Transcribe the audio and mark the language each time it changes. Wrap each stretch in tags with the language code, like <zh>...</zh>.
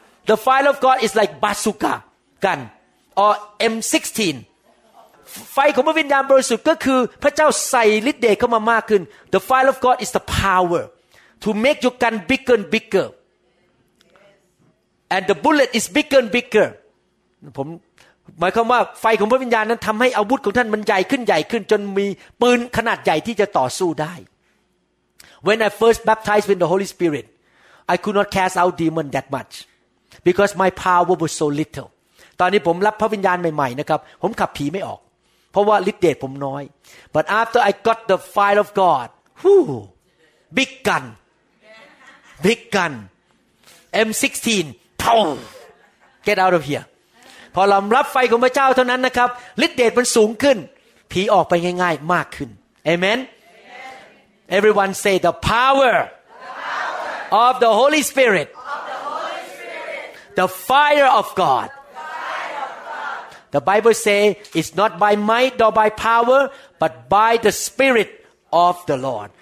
<en>The fire of God is like bazooka gun or M16.</en> <th>ไฟของพระวิญญาณบริสุทธิ์ก็คือพระเจ้าใส่ฤทธิ์เดชเข้ามามากขึ้น</th> <en>The fire of God is the power to make your gun bigger and bigger. And the bullet is bigger and bigger.</en> <th>ผมหมายความว่าไฟของพระวิญญาณนั้นทำให้อาวุธของท่านมันใหญ่ขึ้นใหญ่ขึ้นจนมีปืนขนาดใหญ่ที่จะต่อสู้ได้</th> <en>When I first baptized with the Holy Spirit, I could not cast out demons that much because my power was so little.</en> <th>ตอนนี้ผมรับพระวิญญาณใหม่ๆนะครับผมขับผีไม่ออกเพราะว่าฤทธิ์เดชผมน้อย</th> <en>But after I got the fire of God, whoo, big gun, big gun, M16. Get out of here.</en> <th>พอเรารับไฟของพระเจ้าเท่านั้นนะครับฤทธิ์เดชมันสูงขึ้นผีออกไปง่ายๆมากขึ้น Amen.</th> <en>Everyone say the power of the Holy Spirit. The fire of God. The Bible say it's not by might nor by power, but by the Spirit of the Lord.</en>